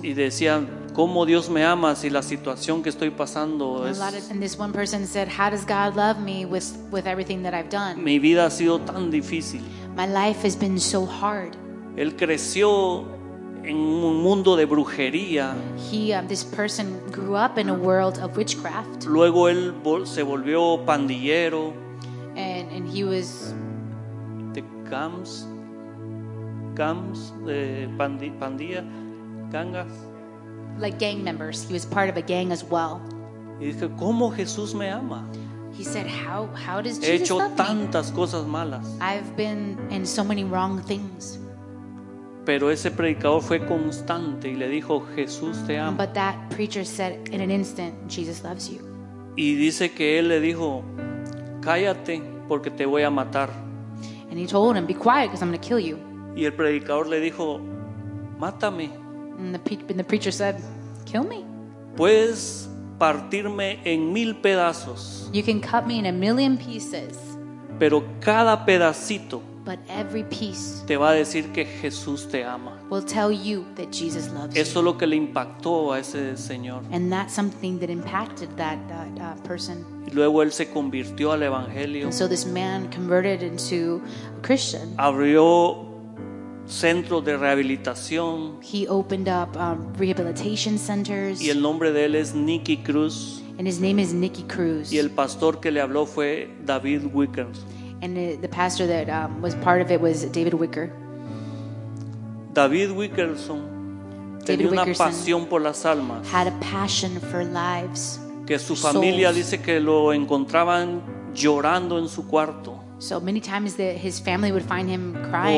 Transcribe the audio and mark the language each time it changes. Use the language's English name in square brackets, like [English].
[Spanish] Y decían, ¿cómo Dios me ama si la situación que estoy pasando es? [English] And this one person said, how does God love me with everything that I've done? [Spanish] Mi vida ha sido tan difícil. [English] My life has been so hard. [Spanish] Él creció en un mundo de brujería. [English] This person grew up in a world of witchcraft. [Spanish] Luego él se volvió pandillero. [English] And he was the gangs, pandilla, gangas. Like gang members, he was part of a gang as well. [Spanish] Y dije, ¿cómo Jesús me ama? [English] He said, how does Jesus love me? [Spanish] He hecho tantas [English] me? [Spanish] Cosas malas. [English] I've been in so many wrong things. [Spanish] Pero ese predicador fue constante y le dijo, Jesús te ama. [English] But that preacher said in an instant, Jesus loves you. [Spanish] Y dice que él le dijo, cállate porque te voy a matar. [English] And he told him, be quiet because I'm going to kill you. [Spanish] Y el predicador le dijo, mátame. [English] And the preacher said, kill me. [Spanish] Puedes partirme en mil pedazos. [English] You can cut me in a million pieces. [Spanish] Pero cada pedacito, [English] but every piece, [Spanish] te va a decir que Jesús te ama. [English] Will tell you that Jesus loves [Spanish] eso Es lo que le impactó a ese señor. [English] And that's something that impacted that person. [Spanish] Y luego él se convirtió al evangelio. [English] And so this man converted into a Christian. [Spanish] Abrió centros de rehabilitación. [English] He opened up rehabilitation centers. [Spanish] Y el nombre de él es Nicky Cruz. [English] And his name is Nicky Cruz. [Spanish] Y el pastor que le habló fue David Wicker. [English] And the pastor that was part of it was David Wicker. [Spanish] David Wickerson tenía una pasión por las almas. [English] Had a passion for lives. [Spanish] Que su familia dice que lo encontraban llorando en su cuarto. [English] So many times that his family would find him crying